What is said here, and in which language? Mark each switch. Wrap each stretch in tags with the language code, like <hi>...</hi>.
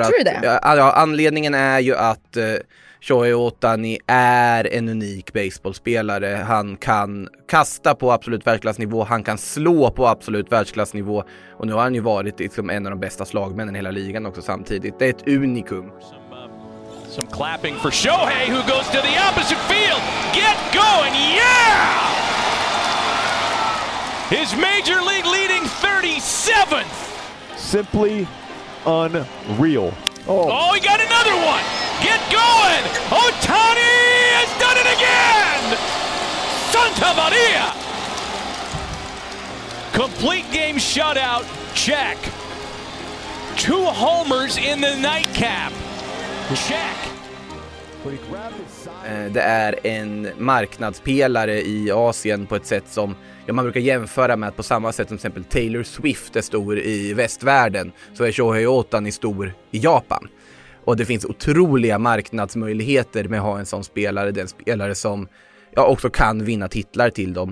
<sv>att, ja, anledningen är ju att Shohei Ohtani är en unik baseballspelare. Han kan kasta på absolut världsklassnivå, han kan slå på absolut världsklassnivå. Och nu har han ju varit liksom en av de bästa slagmännen i hela ligan också samtidigt. Det är ett unikum.</sv> <en>Some clapping for Shohei who goes to the opposite field. Get going, yeah! His major league leading 37th. Simply unreal. Oh, he got another one. Get going. Ohtani has done it again. Santa Maria. Complete game shutout. Check. Two homers in the nightcap. Check.</en> <sv>Det är en marknadspelare i Asien på ett sätt som, ja, man brukar jämföra med att på samma sätt som till exempel Taylor Swift är stor i västvärlden, så är Shohei Ohtani stor i Japan. Och det finns otroliga marknadsmöjligheter med att ha en sån spelare, den spelare som, ja, också kan vinna titlar till dem.</sv>